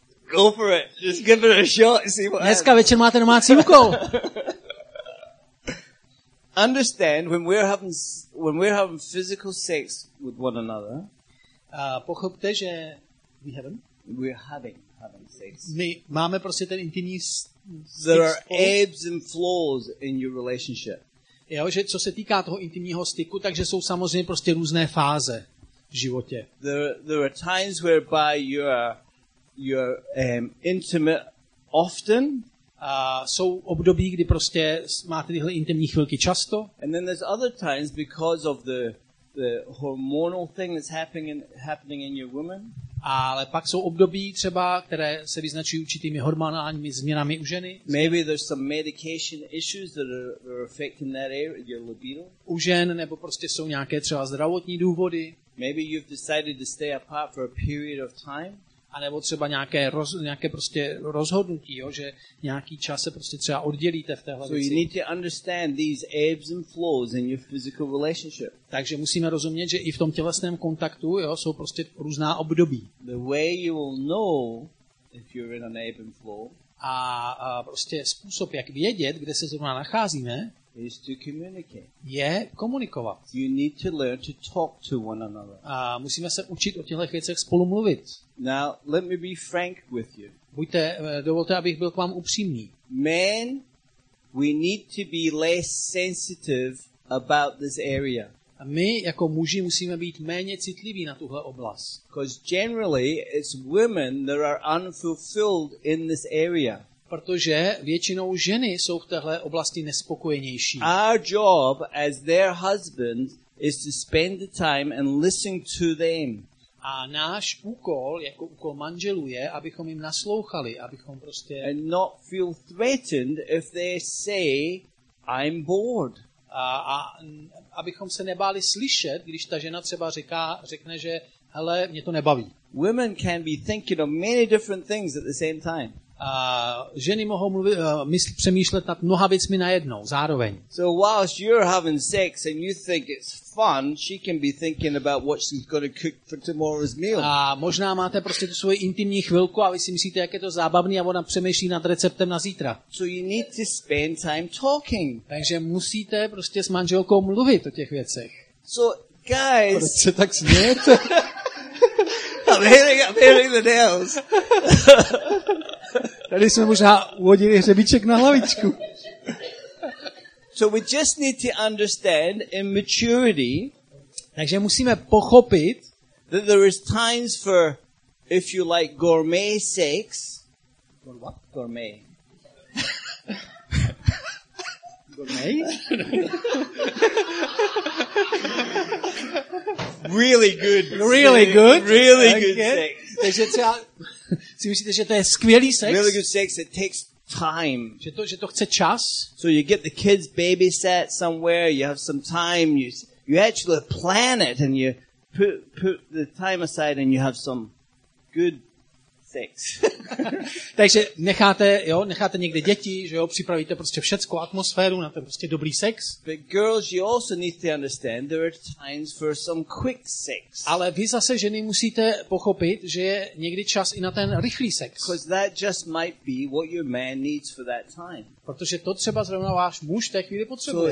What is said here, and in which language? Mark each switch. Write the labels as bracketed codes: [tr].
[en] Go for it, just give it a shot and see what [cs] dneska [en] happens. [cs] Večer máte domácí úkol. [en] Understand when we're having physical sex with one another. [cs] Pochopte, že [en] we're having sex. [cs] My máme prostě ten intimní sex. [en] There are ebbs and flows in your relationship. [cs] Jo, že co se týká toho intimního styku, takže jsou samozřejmě prostě různé fáze v životě. [en] There are times whereby you're intimate often. [cs] A jsou období, kdy prostě máte tyhle intimní chvilky často. [en] And then there's other times because of the hormonal thing that's happening in your woman. [cs] Ale pak jsou období třeba, které se vyznačují určitými hormonálními změnami u ženy. [en] Maybe there's some medication issues that are affecting that area, your libido. [cs] U žen, nebo prostě jsou nějaké třeba zdravotní důvody. Maybe you've decided to stay apart for a period of time. A nebo třeba nějaké prostě rozhodnutí, jo, že nějaký čas se prostě třeba oddělíte v téhle [en] věci. So you need to understand these ebbs and flows in your physical relationship. [cs] Takže musíme rozumět, že i v tom tělesném kontaktu, jo, jsou prostě různá období. [en] The way you will know if you're in an ebb and flow. [cs] A prostě způsob, jak vědět, kde se zrovna nacházíme, [en] is to communicate. [cs] Je komunikovat. [en] You need to learn to talk to one another. [cs] A musíme se učit o těchto věcech spolu mluvit. [en] Now, let me be frank with you. [cs] Dovolte, abych byl k vám upřímný. [en] Men, we need to be less sensitive about this area. [cs] A my jako muži musíme být méně citliví na tuhle oblast. [en] Because generally it's women that are unfulfilled in this area. [cs] Protože většinou ženy jsou v téhle oblasti nespokojenější. [en] Our job as their husband is to spend the time and listen to them. [cs] A náš úkol jako úkol manželů je, abychom jim naslouchali, abychom prostě [en] and not feel threatened if they say I'm bored. [cs] A abychom se nebáli slyšet, když ta žena třeba řekne, že hele, mě to nebaví. [en] Women can be thinking of many different things at the same time. [cs] A ženy mohou přemýšlet nad mnoha věcmi najednou, zároveň. [en] So whilst you're having sex and you think it's fun, she can be thinking about what she's going to cook for tomorrow's meal. [cs] A možná máte prostě tu svoji intimní chvilku a vy si myslíte, jak je to zábavný a ona přemýšlí nad receptem na zítra. [en] So you need to spend time talking. [cs] Takže musíte prostě s manželkou mluvit o těch věcech. [en] So guys, [cs] proč se tak smějete? [en] I'm hitting the nails. [cs] Tady jsme možná uhodili hřebíček na hlavičku. [en] So we just need to understand in maturity. [cs] Takže musíme pochopit, [en] that there is times for, if you like, gourmet sex. What? Gourmet. Gourmet? Really good. Really sex. Good. Really good sex. [cs] Takže třeba si myslíte, že to je skvělý sex? [en] Really good sex, it takes time. [cs] Že to chce čas? [en] So you get the kids babysat somewhere, you have some time, you actually plan it and you put the time aside and you have some good sex. [cs] Takže necháte někde děti, že jo, připravíte prostě všecko, atmosféru na ten prostě dobrý sex. [en] But girls, you also need to understand there are times for some quick sex. [cs] Ale vy zase ženy musíte pochopit, že je někdy čas i na ten rychlý sex. [en] Because that just might be what your man needs for that time. [cs] Protože to třeba zrovna váš muž v té chvíli potřebuje.